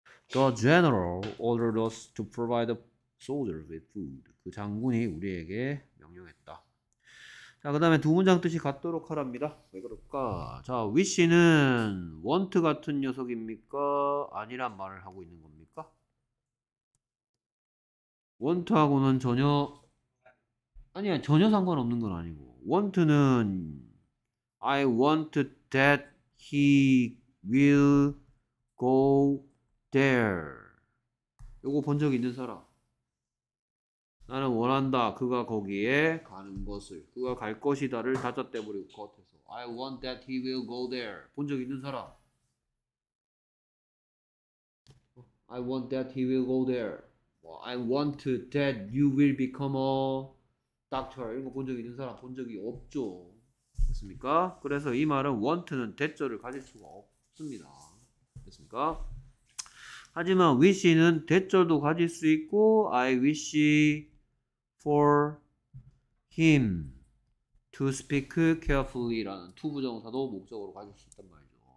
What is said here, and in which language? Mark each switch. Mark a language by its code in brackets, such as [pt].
[en] 더 general ordered us to provide Soldiers with food. [ko] 그 장군이 우리에게 명령했다. 자, 그 다음에 두 문장 뜻이 같도록 하랍니다. 왜 그럴까? 자, wish는 want 같은 녀석입니까? 아니란 말을 하고 있는 겁니까? want하고는 전혀, 아니야, 전혀 상관없는 건 아니고. [en] want는 I want that he will go there. [ko] 요거 본적 있는 사람. 나는 원한다. 그가 거기에 가는 것을. 그가 갈 것이다를 다 잣대버리고 겉에서. [en] I want that he will go there. [ko] 본 적 있는 사람. [en] I want that he will go there. I want that you will become a doctor. [ko] 이런 거 본 적 있는 사람 본 적이 없죠. 됐습니까? 그래서 이 말은 want는 대절을 가질 수가 없습니다. 됐습니까? 하지만 wish는 대절도 가질 수 있고 [en] I wish for him to speak carefully [ko] 라는 to 부정사도 목적으로 가질 수 있단 말이죠.